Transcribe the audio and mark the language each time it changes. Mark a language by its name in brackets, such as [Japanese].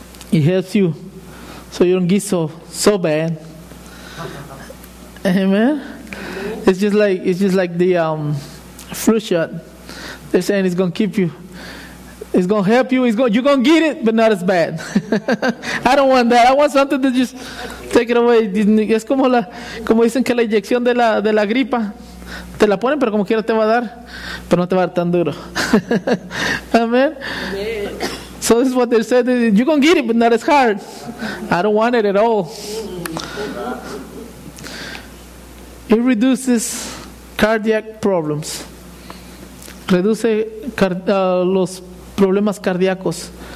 [English] It helps you so you don't get so bad. Amen. It's just like the flu shot. They're saying it's gonna keep you. It's gonna help you. You're gonna get it, but not as bad. I don't want that. I want something that just take it away. [Spanish] Es como la, como dicen que la inyección de la gripa te la ponen, pero como quiera te va a dar, pero no te va a dar tan duro. [English] Amen. Yeah. So this is what they said. You're gonna get it, but not as hard. I don't want it at all. It reduces cardiac problems. [Spanish] Reduce los problemas cardíacos.